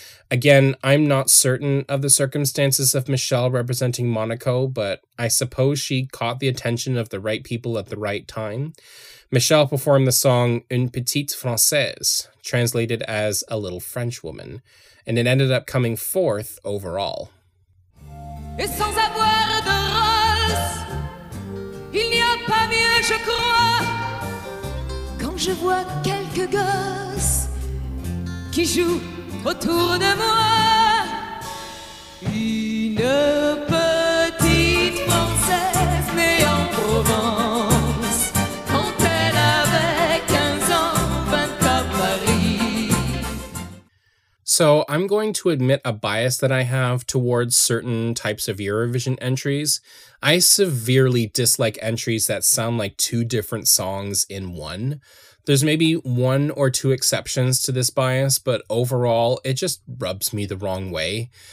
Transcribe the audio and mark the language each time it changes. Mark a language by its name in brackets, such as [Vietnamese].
[English] Again, I'm not certain of the circumstances of Michelle representing Monaco, but I suppose she caught the attention of the right people at the right time. Michelle performed the song Une Petite Française, translated as A Little French Woman, and it ended up coming fourth overall. [French] Et sans avoir de rose, il n'y a pas mieux, je crois, quand je vois quelques gosses qui jouent autour de moi. Une petite Française née en Provence, quand elle avait 15 ans, 20 à Paris. [English] So I'm going to admit a bias that I have towards certain types of Eurovision entries. I severely dislike entries that sound like two different songs in one. There's maybe one or two exceptions to this bias, but overall, it just rubs me the wrong way.